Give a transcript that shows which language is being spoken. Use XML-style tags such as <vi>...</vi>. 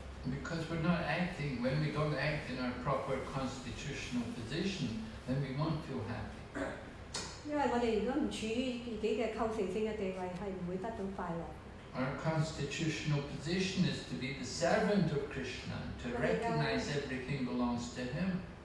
<en>Because we're not acting, when we don't act in our proper constitutional position, then we won't feel happy.</en> <yue>因為我們如果不處於自己的構成性的地位，係唔會得到快樂。</yue> <en>Our constitutional position is to be the servant of Krishna, to recognize everything belongs to Him.</en>